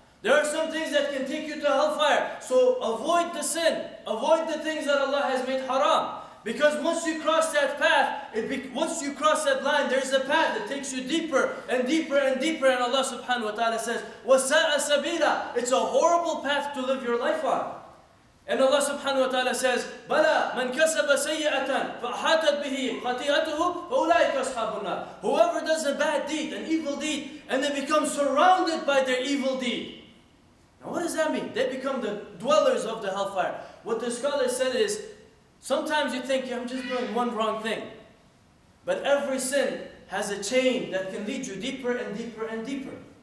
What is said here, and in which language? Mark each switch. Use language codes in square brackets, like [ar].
[en] There are some things that can take you to hellfire. So avoid the sin. Avoid the things that Allah has made haram. Because once you cross that path, once you cross that line, there's a path that takes you deeper and deeper and deeper. And Allah subhanahu wa ta'ala says, [ar] وَسَاءَ سَبِيلًا. [en] It's a horrible path to live your life on. And Allah subhanahu wa ta'ala says, [ar] بَلَا مَنْ كَسَبَ سَيِّئَةً فَأَحَاتَتْ بِهِ خَطِيئَتُهُ فَأُولَٰئِكَ أَصْحَابُ النَّارِ. [en] Whoever does a bad deed, an evil deed, and they become surrounded by their evil deed. Now what does that mean? They become the dwellers of the hellfire. What the scholar said is, sometimes you think, yeah, I'm just doing one wrong thing. But every sin has a chain that can lead you deeper and deeper and deeper.